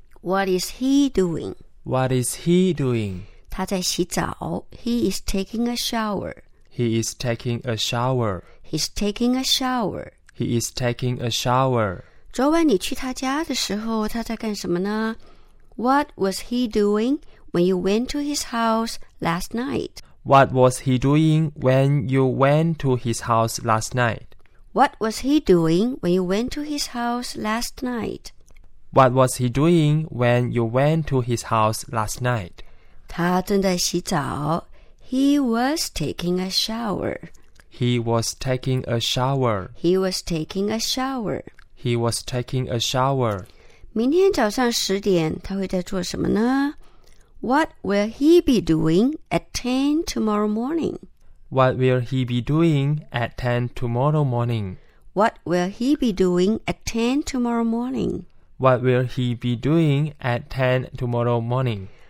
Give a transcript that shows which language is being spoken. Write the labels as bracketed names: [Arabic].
[English] What is he doing? What is he doing? [Chinese] 他在洗澡。 He is taking a shower. [English] He is taking a shower. He's taking a shower. He is taking a shower. [Chinese] 昨晚你去他家的时候他在干什么呢? [English] What was he doing when you went to his house last night? What was he doing when you went to his house last night? What was he doing when you went to his house last night? What was he doing when you went to his house last night? [Chinese] 他正在洗澡。 He was taking a shower. [English] He was taking a shower. He was taking a shower. He was taking a shower. [Chinese] 明天早上十点他会在做什么呢? [English] What will he be doing at 10 tomorrow morning? What will he be doing at 10 tomorrow morning? What will he be doing at 10 tomorrow morning? What will he be doing at 10 tomorrow morning?